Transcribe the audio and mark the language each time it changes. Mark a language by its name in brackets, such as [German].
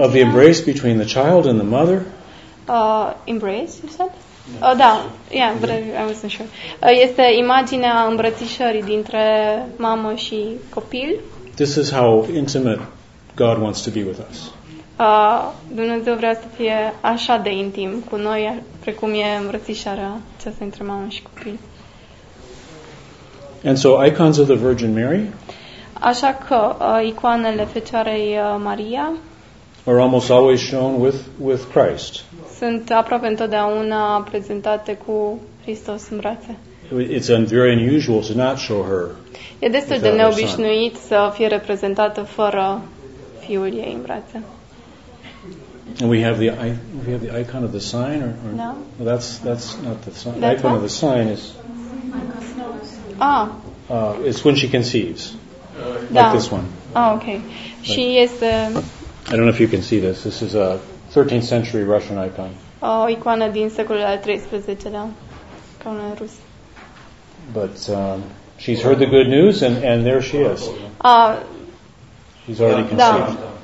[English] of the embrace between the child and the mother. Embrace, you said? Da, yeah, but I wasn't sure. [Romanian] Este imaginea îmbrățișării dintre mamă și copil. [English] This is how intimate God wants to be with us. [Romanian] Dumnezeu vrea să fie așa de intim cu noi, precum e îmbrățișarea aceasta între mamă și copil. [English] And so icons of the Virgin Mary. [Romanian] Așa că icoanele Fecioarei Maria [English] are almost always shown with Christ. [Romanian] Sunt aproape întotdeauna prezentate cu Hristos în brațe. [English] It's very unusual to not show her. [Romanian] E destul de neobișnuit să fie reprezentată fără fiul ei în brațe. [English] And we have the icon of the sign or no? Well, that's not the sign. The icon of the sign is it's when she conceives. Like this one. Oh, okay. She is the. I don't know if you can see this. This is a 13th century Russian icon. [Romanian] Oh, icoană din secolul al XIII-lea, icoană rusă. [English] But she's heard the good news, and there she is. She's already conceived.